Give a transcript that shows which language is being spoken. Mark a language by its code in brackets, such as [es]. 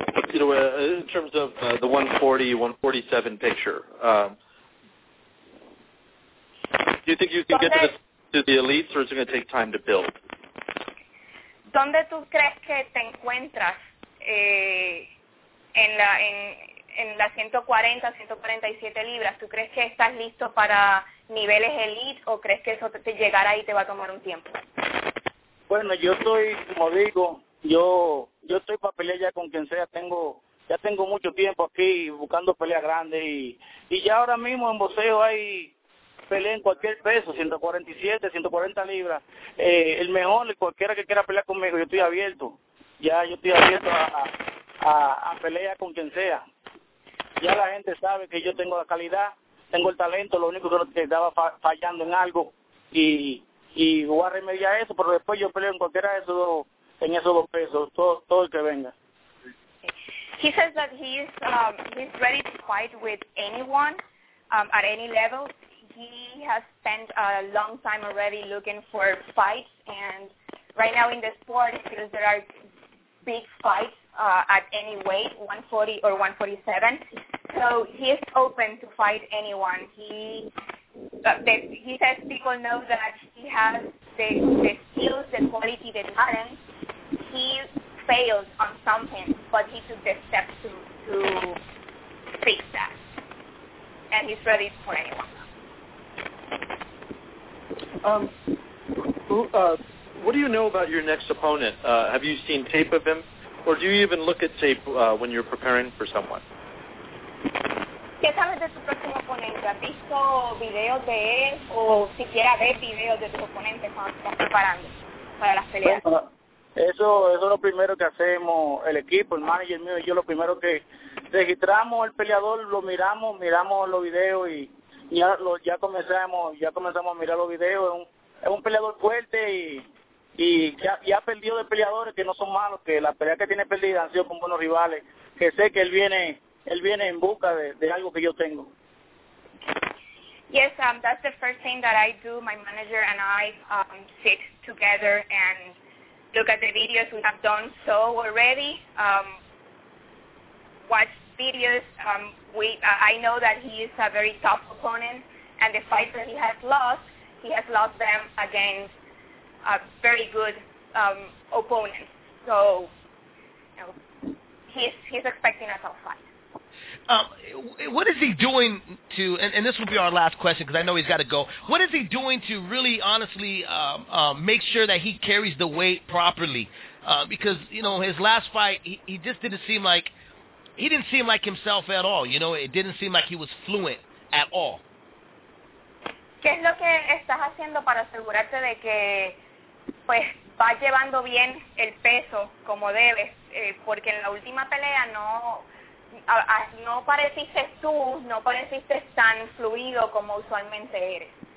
[en] You know, in terms of the 140, 147 picture, do you think you can get to the elites, or is it going to take time to build? [es] ¿Dónde tú crees que te encuentras en la 140, 147 libras? ¿Tú crees que estás listo para niveles elite, o crees que eso te llegará y te va a tomar un tiempo? Bueno, yo estoy, como digo, yo estoy para pelear ya con quien sea. Ya tengo mucho tiempo aquí buscando peleas grandes y ya ahora mismo en boxeo hay pelea en cualquier peso, 147, 140 libras. El mejor, cualquiera que quiera pelear conmigo, yo estoy abierto. Ya yo estoy abierto a pelear con quien sea. Ya la gente sabe que yo tengo la calidad, tengo el talento, lo único que estaba fallando en algo y voy a remediar eso, pero después yo peleo en cualquiera de esos dos. En esos dos pesos, todo el que venga. [en] He says that he's ready to fight with anyone at any level. He has spent a long time already looking for fights, and right now in the sport, because there are big fights at any weight, 140 or 147, so he is open to fight anyone. He says people know that he has the skills, the quality, the talent. He failed on something, but he took the steps to fix that. And he's ready for anyone. What do you know about your next opponent? Have you seen tape of him? Or do you even look at tape when you're preparing for someone? [es] ¿Qué sabes de tu próximo oponente? ¿Has visto videos de él? ¿O siquiera ves videos de tu oponente cuando estás preparando para las peleas? Eso es lo primero que hacemos, el equipo, el manager mío y yo, lo primero que registramos el peleador, lo miramos los videos y ya comenzamos a mirar los videos. Es un peleador fuerte y ha perdido de peleadores que no son malos, que la pelea que tiene perdida han sido con buenos rivales, que sé que él viene en busca de algo que yo tengo. [en] Yes, that's the first thing that I do. My manager and I sit together and look at the videos we have done so already. Watch videos. I know that he is a very tough opponent, and the fights that he has lost them against a very good opponent. So, you know, he's expecting a tough fight. What is he doing to, and this will be our last question because I know he's got to go, what is he doing to really honestly make sure that he carries the weight properly? Because, you know, his last fight, he didn't seem like himself at all, you know, it didn't seem like he was fluent at all. [es] ¿Qué es lo que estás haciendo para asegurarte de que pues vas llevando bien el peso como debes? Porque en la última pelea no pareciste tú, no pareciste tan fluido como usualmente eres.